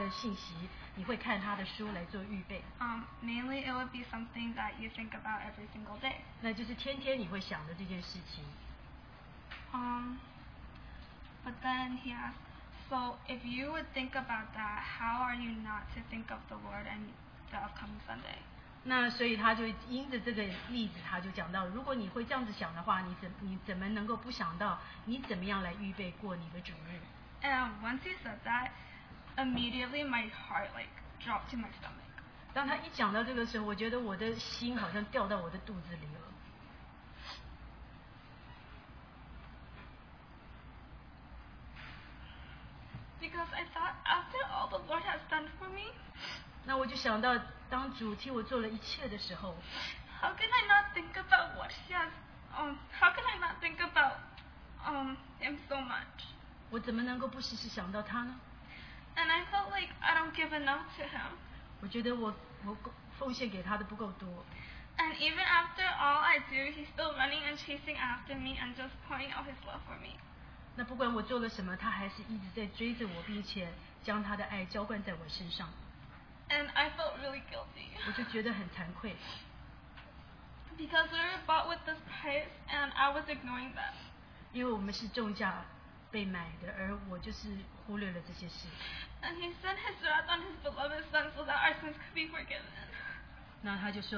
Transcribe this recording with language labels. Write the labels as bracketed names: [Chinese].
[Chinese] 那你就是说，假设你收到了一封邀请函，是江守道弟兄邀请你去跟他一起吃晚饭，你可能天天都会想着江守道弟兄，你会听他的信息，你会看他的书来做预备。 [English] Mainly it would be something that you think about every single day. [Chinese] 那就是天天你会想着这件事情。 [English] But then he asked, so if you would think about that, how are you not to think of the Lord and the upcoming Sunday? [Chinese] 那所以他就因着这个例子，他就讲到，如果你会这样子想的话，你怎么能够不想到你怎么样来预备过你的主日？ [English] And once he said that, immediately my heart like dropped to my stomach. [Chinese] 当他一讲到这个时候，我觉得我的心好像掉到我的肚子里了。 [English] Because I thought, after all the Lord has done for me, [Chinese] 那我就想到，当主替我做了一切的时候， [English] how can I not think about what He has? How can I not think about Him so much? [Chinese] 我怎么能够不时时想到他呢？ [English] And I felt like I don't give enough to Him. [Chinese] 我觉得我奉献给他的不够多。 [English] And even after all I do, He's still running and chasing after me and just pouring out His love for me. [Chinese] 那不管我做了什么，他还是一直在追着我，并且将他的爱浇灌在我身上。 [English] And I felt really guilty. [Chinese] 我就觉得很惭愧。 [English] Because we were bought with this price, and I was ignoring that. [Chinese] 因为我们是重价被买的，而我就是忽略了这些事。 [English] And He sent His wrath on His beloved Son so that our sins could be forgiven.